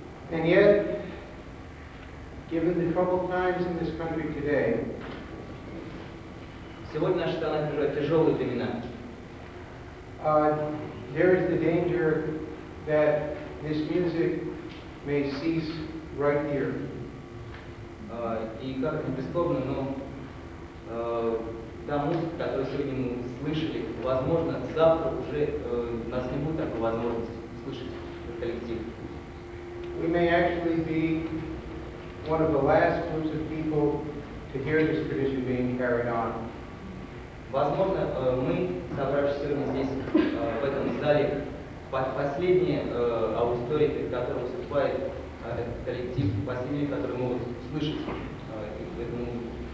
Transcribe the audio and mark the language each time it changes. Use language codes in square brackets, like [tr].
[en] And yet, given the troubled times in this country today, there is the danger that this music may cease right here. [ru] И как бесспорно, но та музыка, которую сегодня мы слышали, возможно, завтра уже у нас не будет такой возможности слышать коллектив. [en] We may actually be one of the last groups of people to hear this tradition being carried on. [ru] Возможно, мы, собравшись сегодня здесь, в этом зале, последняя аудитория, перед которой выступает этот коллектив, последняя, которую могут слышать в этом музыке.